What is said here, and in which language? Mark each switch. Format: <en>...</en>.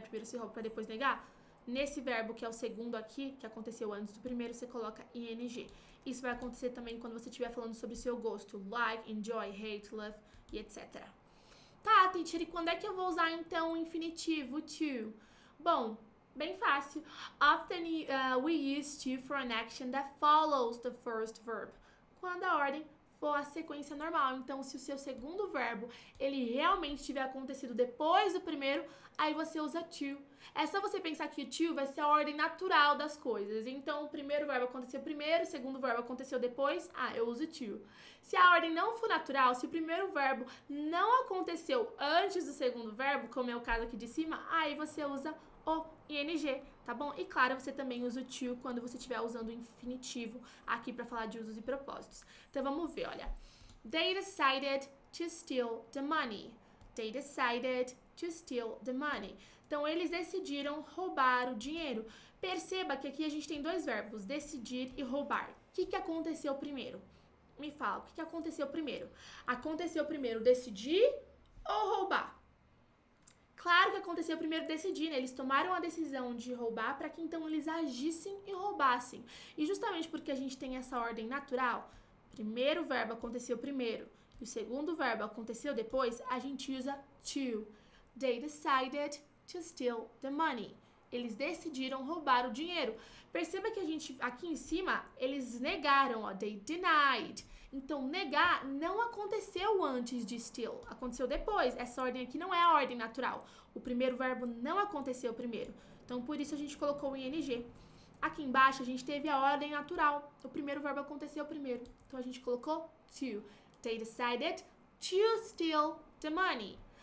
<pt>Primeiro se rouba pra depois negar. Nesse verbo, que é o segundo aqui, que aconteceu antes do primeiro, você coloca ing. Isso vai acontecer também quando você estiver falando sobre seu gosto. Like, enjoy, hate, love e etc. Tá, teacher, e quando é que eu vou usar, então, o infinitivo to? Bom, Bem fácil.</pt> <en>Often we use to for an action that follows the first verb.</en> <pt>Quando a ordem for a sequência normal. Então, se o seu segundo verbo ele realmente tiver acontecido depois do primeiro, aí você usa to. É só você pensar que to vai ser a ordem natural das coisas. Então, o primeiro verbo aconteceu primeiro, o segundo verbo aconteceu depois, ah, eu uso to. Se a ordem não for natural, se o primeiro verbo não aconteceu antes do segundo verbo, como é o caso aqui de cima, aí você usa o ing, tá bom? E claro, você também usa o to quando você estiver usando o infinitivo aqui para falar de usos e propósitos. Então vamos ver, olha.</pt> <en>They decided to steal the money. They decided to steal the money.</en> <pt>Então eles decidiram roubar o dinheiro. Perceba que aqui a gente tem dois verbos, decidir e roubar. O que que aconteceu primeiro? Me fala, o que que aconteceu primeiro? Aconteceu primeiro decidir ou roubar? Claro que aconteceu primeiro decidir, né? Eles tomaram a decisão de roubar para que então eles agissem e roubassem. E justamente porque a gente tem essa ordem natural, primeiro verbo aconteceu primeiro e o segundo verbo aconteceu depois, a gente usa to.</pt> <en>They decided to steal the money.</en> <pt>Eles decidiram roubar o dinheiro. Perceba que a gente, aqui em cima, eles negaram, ó,</pt> <en>they denied.</en> <pt>Então, negar não aconteceu antes de steal, aconteceu depois. Essa ordem aqui não é a ordem natural. O primeiro verbo não aconteceu primeiro. Então, por isso a gente colocou o ing. Aqui embaixo, a gente teve a ordem natural. O primeiro verbo aconteceu primeiro. Então, a gente colocou to.</pt> <en>They decided to steal the money.</en>